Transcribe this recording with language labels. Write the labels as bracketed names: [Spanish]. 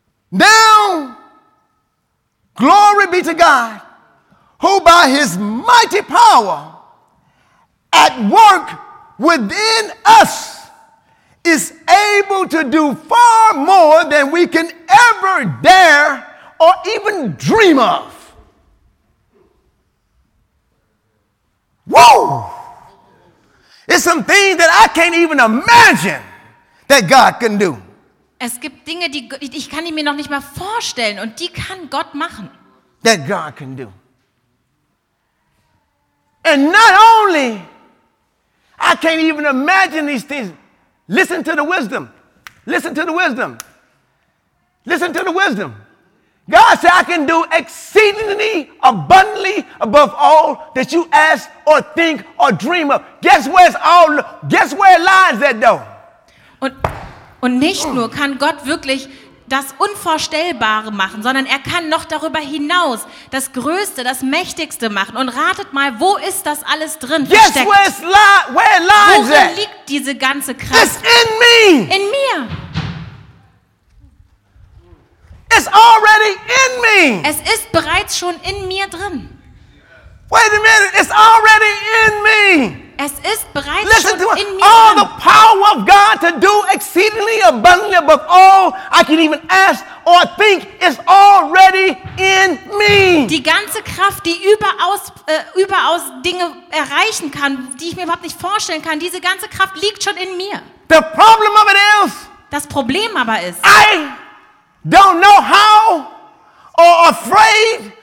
[English] Now, glory be to God, who by his mighty power at work within us is able to do far more than we can ever dare or even dream of. Whoa! It's some things that I can't even imagine that God can do. [German] Es gibt Dinge, die ich kann mir noch nicht mal vorstellen, und die kann Gott machen. [English] That God can do. And not only, I can't even imagine these things. Listen to the wisdom. Listen to the wisdom. Listen to the wisdom. God said, I can do exceedingly abundantly above all that you ask or think or dream of. Guess where it lies at though? [German] Und nicht nur kann Gott wirklich das Unvorstellbare machen, sondern er kann noch darüber hinaus das Größte, das Mächtigste machen. Und ratet mal, wo ist das alles drin versteckt? [English] Yes, where lies [German] worin liegt diese ganze Kraft? [English] It's in me. [German] In mir. [English] It's already in me. [German] Es ist bereits schon in mir drin. [English] Wait a minute, it's already in me. [German] Es ist bereits [English] Listen [German] schon [English] to [German] in mir. [English] All the power of God to do exceedingly abundantly above all I can even ask or think is already in me. [German] Die ganze Kraft, die überaus Dinge erreichen kann, die ich mir überhaupt nicht vorstellen kann, diese ganze Kraft liegt schon in mir. [English] The problem of it is. [German] Das Problem aber ist. [English] I don't know how or afraid.